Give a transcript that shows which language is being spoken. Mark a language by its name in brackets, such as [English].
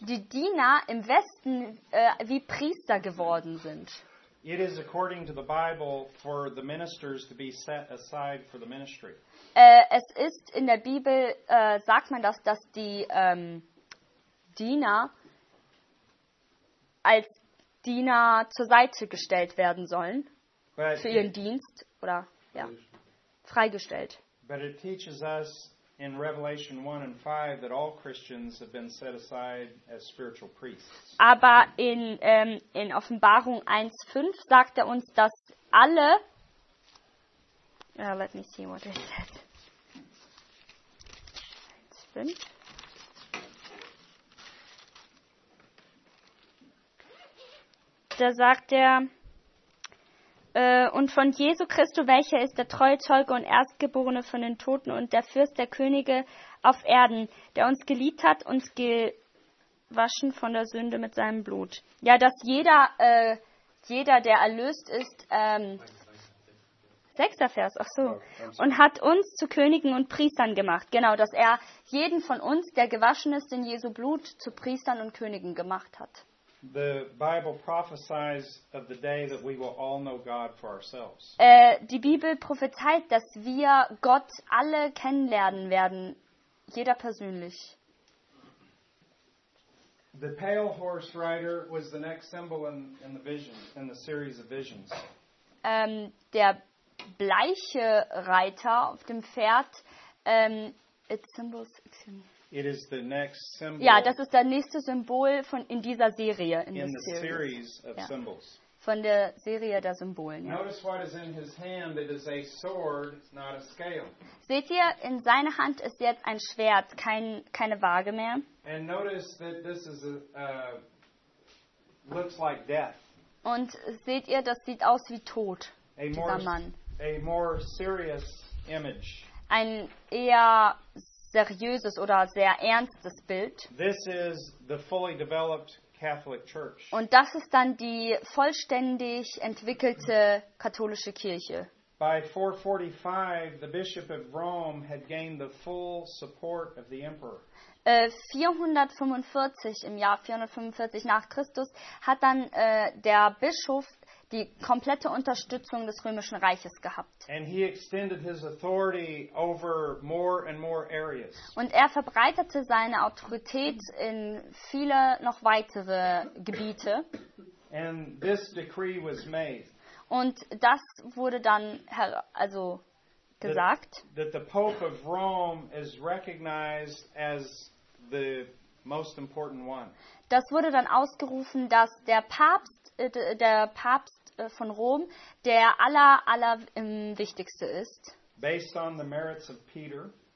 [German] die Diener im Westen wie Priester geworden sind. [English] It is according to the Bible for the ministers to be set aside for the ministry. [German] Es ist in der Bibel sagt man das, dass die Diener als Diener zur Seite gestellt werden sollen für ihren Dienst oder ja freigestellt. [English] But it teaches us in Revelation 1 and 5 that all Christians have been set aside as spiritual priests. [German] Aber in Offenbarung 1:5 sagt er uns, dass alle [English] let me see what it says. [German] 1:5. Da sagt er und von Jesu Christo, welcher ist der treue Zeuge und Erstgeborene von den Toten und der Fürst der Könige auf Erden, der uns geliebt hat, uns gewaschen von der Sünde mit seinem Blut. Ja, dass jeder, der erlöst ist, 6. Vers, ach so, und hat uns zu Königen und Priestern gemacht. Genau, dass er jeden von uns, der gewaschen ist in Jesu Blut, zu Priestern und Königen gemacht hat. [English] The Bible prophesies of the day that we will all know God for ourselves. [German] Die Bibel prophezeit, dass wir Gott alle kennenlernen werden, jeder persönlich. [English] The pale horse rider was the next symbol in the vision, in the series of visions. [German] Der bleiche Reiter auf dem Pferd, [English] it's symbols. It is the next symbol. [German] Ja, das ist das nächste Symbol von in dieser Serie. [English] In the series of symbols. [German] Von der Serie der Symbolen. Ja. [English] Notice what is in his hand. It is a sword, not a scale. [German] Seht ihr, in seiner Hand ist jetzt ein Schwert, keine Waage mehr. [English] And notice that this is looks like death. [German] Und seht ihr, das sieht aus wie Tod. Dieser Mann. [English] A more serious image. [German] Ein eher seriöses oder sehr ernstes Bild. [English] This is the fully developed Catholic Church. [German] Und das ist dann die vollständig entwickelte katholische Kirche. [English] By 445, the Bishop of Rome had gained the full support of the Emperor. [German] 445, im Jahr 445 nach Christus, hat dann der Bischof die komplette Unterstützung des Römischen Reiches gehabt. [English] And he extended his authority over more and more areas. [German] Und er verbreitete seine Autorität in viele noch weitere Gebiete. [English] And this decree was made. [German] Und das wurde dann also gesagt, [English] that the Pope of Rome is recognized as the most important one. [German] Das wurde dann ausgerufen, dass der Papst von Rom der aller wichtigste ist. [English] Based on the merits of Peter,